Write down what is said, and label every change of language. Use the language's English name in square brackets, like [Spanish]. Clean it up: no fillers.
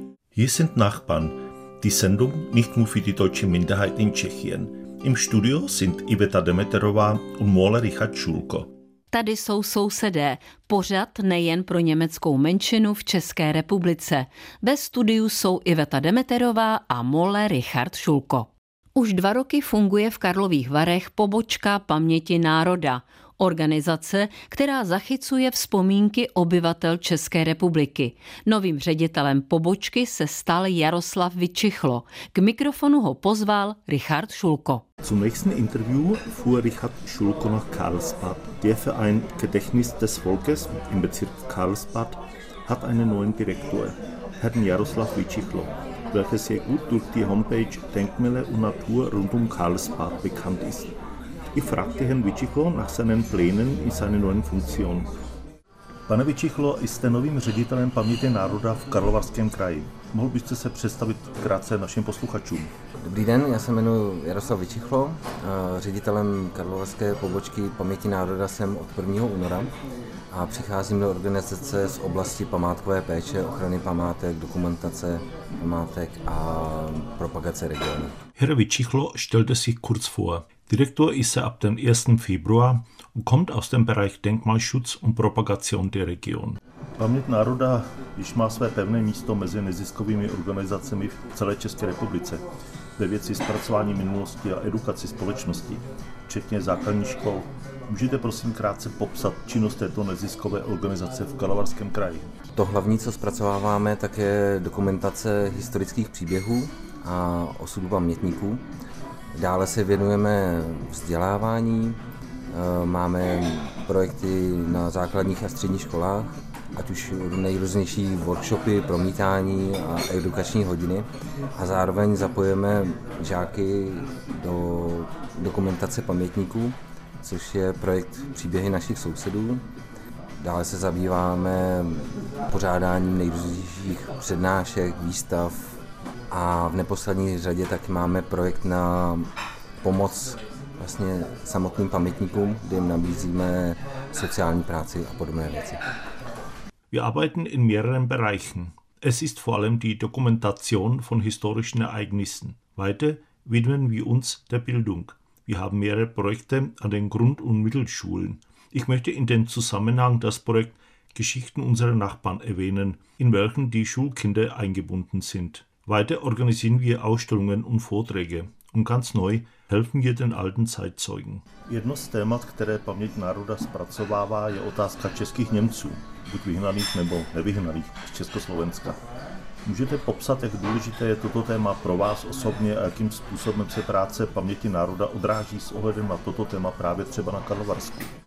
[German] Hier sind Nachbarn, die Sendung nicht nur für die deutsche Minderheit in Tschechien. Im Studio sind Iveta Demeterová und Mole Richard Schulko. [Czech] Tady jsou sousedé, pořad nejen pro německou menšinu v České republice. Ve studiu jsou Iveta Demeterová a Mole Richard Schulko. Už 2 roky funguje v Karlových Varech pobočka Paměti národa, organizace, která zachycuje vzpomínky obyvatel České republiky. Novým ředitelem pobočky se stal Jaroslav Vyčichlo. K mikrofonu ho pozval Richard Schulko. [German] Zum nächsten Interview fuhr Richard Schulko nach Karlsbad. Der Verein Gedächtnis des Volkes im Bezirk Karlsbad hat einen neuen Direktor, Herrn Jaroslav Vyčichlo, welcher sehr gut durch die Homepage Denkmäler und Natur rund um Karlsbad bekannt ist. Ich fragte Herrn Vyčichlo nach seinen Plänen in seiner neuen Funktion. [Czech] Pane Vyčichlo, jste novým ředitelem Paměti národa v Karlovarském kraji. Mohl byste se představit krátce našim posluchačům? Dobrý den, já se jmenuji Jaroslav Vyčichlo. Ředitelem Karlovarské pobočky Paměti národa jsem od 1. února a přicházím do organizace z oblasti památkové péče, ochrany památek, dokumentace památek a propagace regionu. [German] Herr Vyčichlo, stellte sich kurz vor. Direktor ist er ab dem 1. Februar und kommt aus dem Bereich Denkmalschutz und Propagation der Region. [Czech] Paměť národa již má své pevné místo mezi neziskovými organizacemi v celé České republice ve věci zpracování minulosti a edukaci společnosti, včetně základních škol. Můžete prosím krátce popsat činnost této neziskové organizace v Karlovarském kraji? To hlavní, co zpracováváme, tak je dokumentace historických příběhů a osudu pamětníků. Dále se věnujeme vzdělávání, máme projekty na základních a středních školách, ať už nejrůznější workshopy, promítání a edukační hodiny. A zároveň zapojujeme žáky do dokumentace pamětníků, což je projekt Příběhy našich sousedů. Dále se zabýváme pořádáním nejrůznějších přednášek, výstav, a v neposlední řadě tak máme projekt na pomoc vlastně samotným pamětníkům, kde jim nabízíme sociální práci a podobné věci. [German] Wir arbeiten in mehreren Bereichen. Es ist vor allem die Dokumentation von historischen Ereignissen. Weiter widmen wir uns der Bildung. Wir haben mehrere Projekte an den Grund- und Mittelschulen. Ich möchte in dem Zusammenhang das Projekt Geschichten unserer Nachbarn erwähnen, in welchen die Schulkinder eingebunden sind. Weiter organisieren wir Ausstellungen und Vorträge und ganz neu helfen wir den alten Zeitzeugen. [Czech] Jedno z témat, které Paměť národa zpracovává, je otázka českých Němců, buď vyhnaných nebo nevyhnaných z Československa. Můžete popsat, jak důležité je toto téma pro vás osobně a jakým způsobem se práce Paměti národa odráží s ohledem na toto téma právě třeba na Karlovarsku?